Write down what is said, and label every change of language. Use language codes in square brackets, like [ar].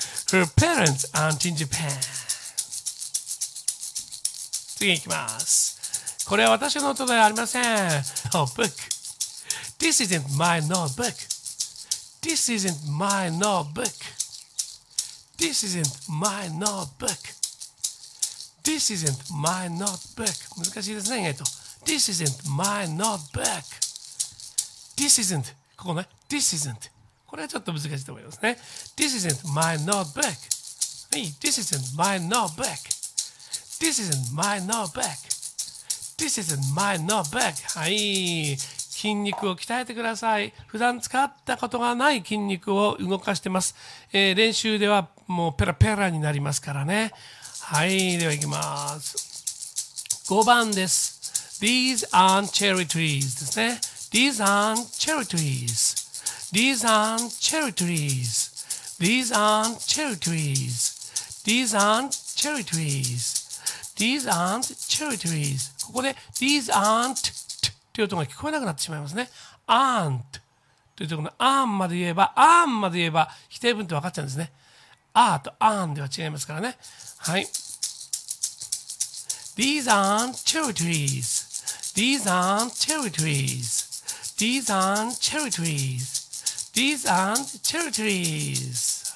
[en] Her parents aren't in Japan. [ja] 次行きます。これは私のノートではありません。 [en] Notebook. This isn't my notebook. This isn't my notebook. This isn't my notebook. This isn't my notebook. [ja] 難しいですね、意外と。 [en] This isn't my notebook. This isn't. [ja] ここね。 [en] This isn't. [ja] これはちょっと難しいと思いますね。 [en] This isn't my notebook. Hey, this isn't my notebook. This isn't my notebook. This isn't my notebook. はい。 [ja] 筋肉を鍛えてください。普段使ったことがない筋肉を動かしてます。練習ではもうペラペラになりますからね。はい、では行きます。5番です。 [en] These aren't cherry trees [ja] ですね。 [en] These aren't cherry trees. These aren't cherry trees. These aren't cherry trees. These aren't cherry trees. These aren't cherry trees. [ja] ここで [en] These aren't cherry trees. [ja] という音が聞こえなくなってしまいますね。aren't というところの aren't まで言えば aren't まで言えば否定文って分かっちゃうんですね。 are と aren't では違いますからね。はい。 [en] These aren't cherry trees. These aren't cherry trees. These aren't cherry trees. These aren't cherry trees.